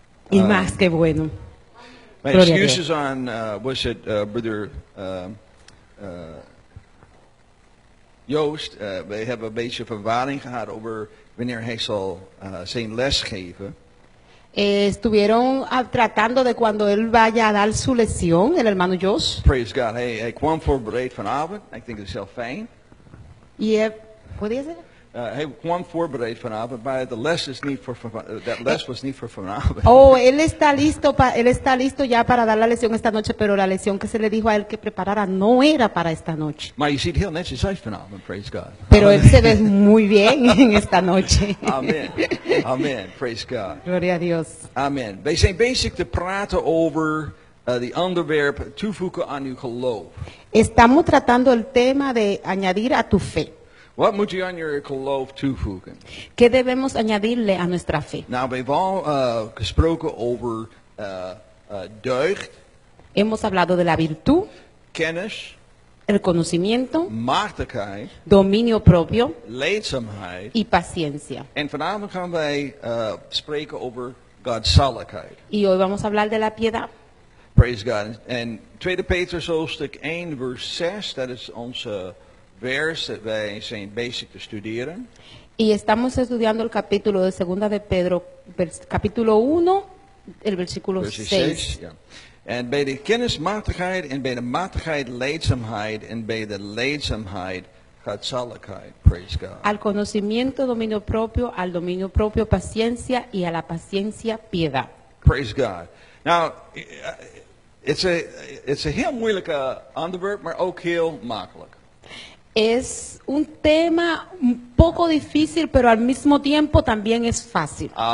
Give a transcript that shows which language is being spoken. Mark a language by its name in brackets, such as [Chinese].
[Spanish] Y más que bueno. [English] My Gloria excuses on, was it, brother, [Dutch] Joost, we hebben een beetje verwarring gehad over wanneer hij zal zijn les geven. [Spanish] Estuvieron tratando de cuando él vaya a dar su lección, el hermano Jos. [English] Praise God. [Dutch] Hey, hey, kwam voorbereid vanavond. [English] I think it's [Dutch] heel fijn. [Spanish] Yep. ¿Puede ser? [Dutch] Hij kwam voorbereid vanavond, maar the les is niet voor that les was niet voor vanavond. [Spanish] Oh, él está listo para él está listo ya para dar la lección esta noche, pero la lección que se le dijo a él que preparara no era para esta noche. [Dutch] Maar je ziet heel netjes uit vanavond, [English] praise God. [Spanish] Pero él se ve muy bien en esta noche. [English] Amen. Amen. Praise God. [Spanish] Gloria a Dios. Amen. [Dutch] We zijn bezig te praten over de onderwerp toevoegen aan uw geloof. [Spanish] Estamos tratando el tema de añadir a tu fe. [Dutch] What moet je aan je geloof toevoegen? [Spanish] ¿Qué debemos añadirle a nuestra fe? [Dutch] Nou, we hebben al gesproken over deugd. [Spanish] Hemos hablado de la virtud. [Dutch] Kennis. [Spanish] El conocimiento. [Dutch] Machtigheid. [Spanish] Dominio propio. [Dutch] Leedzaamheid. [Spanish] Y paciencia. [Dutch] En vanavond gaan wij spreken over godzaligheid. [Spanish] Y hoy vamos a hablar de la piedad. [English] Praise God. [Dutch] En 2 Petrus hoofdstuk 1 vers 6, dat is onze vers dat wij zijn bezig te studeren. [Spanish] Y estamos estudiando el capítulo de Segunda de Pedro, capítulo 1, el versículo 6. [Dutch] En bij de kennismatigheid en bij de matigheid leedzaamheid en bij de leedzaamheid godzaligheid. [English] Praise God. [Spanish] Al conocimiento dominio propio, al dominio propio paciencia y a la paciencia piedad. [English] Praise God. Now, it's a [Dutch] heel moeilijke onderwerp, maar ook heel makkelijk. [Spanish] Es un tema un poco difícil, pero al mismo tiempo también es fácil.